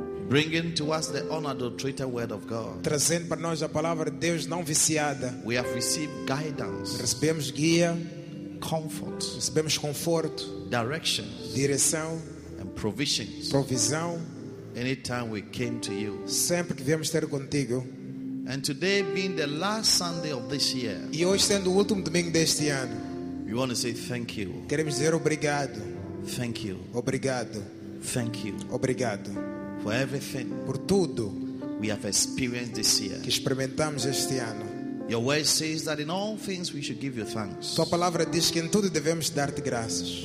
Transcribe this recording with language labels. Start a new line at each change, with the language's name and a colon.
English: bringing to us the unadulterated word of God,
Portuguese: trazendo para nós a palavra de Deus não viciada.
English: We have received guidance,
Portuguese: recebemos guia,
English: comfort,
Portuguese: recebemos conforto,
English: direction,
Portuguese: direção,
English: and provisions,
Portuguese: provisão,
English: anytime we came to you,
Portuguese: sempre que viemos ter contigo.
English: And today being the last Sunday of this year.
Portuguese: E hoje sendo o último domingo deste ano.
English: We want to say thank you.
Portuguese: Queremos dizer obrigado.
English: Thank you.
Portuguese: Obrigado.
English: Thank you.
Portuguese: Obrigado.
English: For everything.
Portuguese: Por tudo.
English: We have experienced this year.
Portuguese: Que experimentamos este ano.
English: Your word says that in all things we should give you thanks.
Portuguese: Tua palavra diz que em tudo devemos dar-te graças.